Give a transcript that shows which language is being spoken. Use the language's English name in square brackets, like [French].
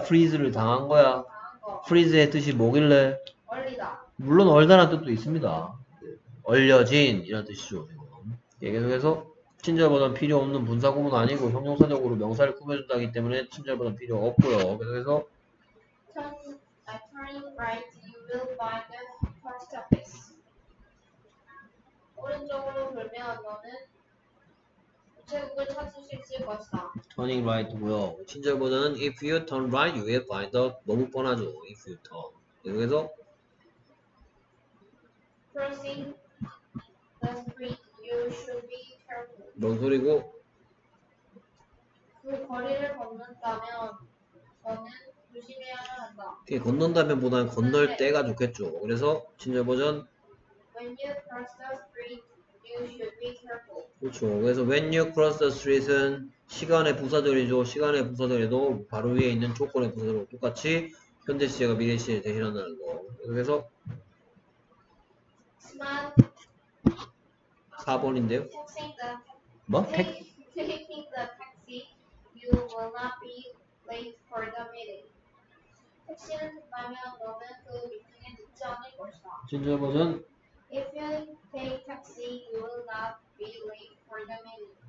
[Korean] 프리즈를 당한 거야? 프리즈의 뜻이 뭐길래? 얼리다. 물론 얼다라는 뜻도 있습니다. 얼려진 이런 뜻이죠. 계속해서 친절보단 필요 없는 분사구문 아니고 형용사적으로 명사를 꾸며준다기 때문에 친절보단 필요 없고요. 그래서 [English] turning right, you will find the post office. [Korean] 오른쪽으로 돌면 너는 우체국을 찾을 수 있을 것이다. [English] turning right고요. [Korean] 친절보단은 [English] if you turn right, you will find the [Korean] 너무 뻔하죠. [English] if you turn. 그래서 crossing the street, you should be [Korean] 뭔 소리고? 그 거리를 건넌다면 저는 조심해야 한다. 그 건넌다면 보다는 건널 네. 때가 좋겠죠. 그래서 친절 버전 [English] When you cross the street, you should be careful. 그렇죠. 그래서 When you cross the street은 [Korean] 시간의 부사절이죠. 시간의 부사절에도 바로 위에 있는 조건의 부사절과 똑같이 현재 시제가 미래 시제에 대신한다는 거. 그래서 [English] Smart [Korean] 4번인데요? 뭐? [English] Taking the taxi, you will not be late for the meeting. [Korean] 택시를 탄다면 너는 그 미팅에 늦지 않을 것이다. 진짜 버전? [English] If you take taxi, you will not be late for the meeting.